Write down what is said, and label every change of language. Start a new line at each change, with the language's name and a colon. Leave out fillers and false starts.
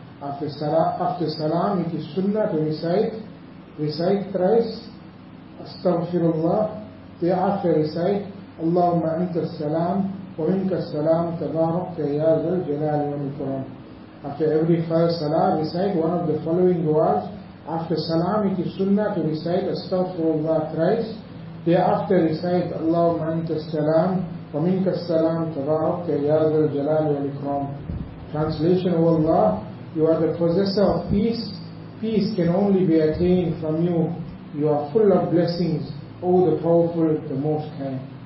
English: After salam, it is sunnah to recite thrice astaghfirullah. Thereafter, recite
Arabic: Allahumma anta salam. وَمِنْكَ السَّلَامُ تَبَارَكَ يَا ذَا الْجَلَالِ وَالْإِكْرَامِ.
English: After every first salah, recite one of the following du'as. After salam, it is sunnah to recite astaghfirullah thrice. Thereafter, recite
Arabic: اللهم أنت السلام ومنك السلام تبارك يا ذا الجلال والإكرام.
English: Translation of Allah, you are the possessor of peace. Peace can only be attained from you. You are full of blessings, O the powerful, the most kind.